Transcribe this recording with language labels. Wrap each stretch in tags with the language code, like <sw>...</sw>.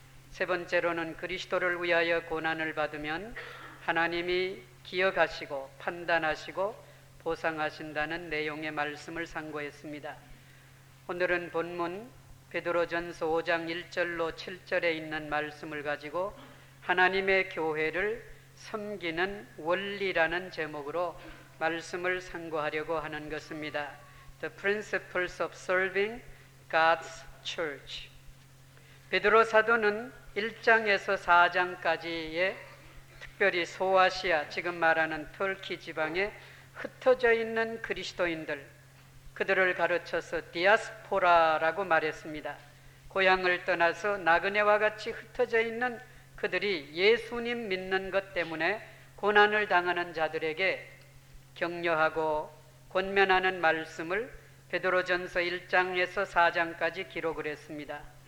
<ko>세 번째로는 그리스도를 위하여 고난을 받으면 하나님이 기억하시고 판단하시고 보상하신다는 내용의 말씀을 상고했습니다. 오늘은 본문 베드로전서 5장 1절로 7절에 있는 말씀을 가지고 하나님의 교회를 섬기는 원리라는 제목으로 말씀을 상고하려고 하는 것입니다.</ko> <en>The Principles of Serving God's Church.</en> <ko>베드로 사도는 1장에서 4장까지의 특별히 소아시아, 지금 말하는 터키 지방에 흩어져 있는 그리스도인들, 그들을 가르쳐서 디아스포라라고 말했습니다. 고향을 떠나서 나그네와 같이 흩어져 있는 그들이 예수님 믿는 것 때문에 고난을 당하는 자들에게 격려하고 권면하는 말씀을 베드로전서 1장에서 4장까지 기록을 했습니다.</ko>